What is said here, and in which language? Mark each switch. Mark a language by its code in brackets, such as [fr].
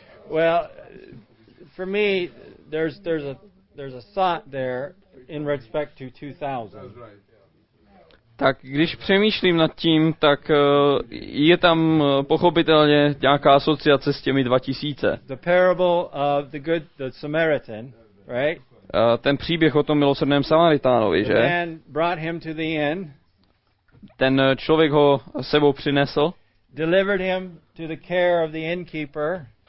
[en] Well, for me there's a thought there in respect to 2000. [cs] Tak když přemýšlím nad tím, tak je tam pochopitelně nějaká asociace s těmi 2000. [en] The parable of the good, the Samaritan, right? [cs] Ten příběh o tom milosrdném Samaritánovi, že? [en] The man brought him to the inn, [cs] ten člověk ho sebou přinesl. [en] Delivered him to the care of the innkeeper.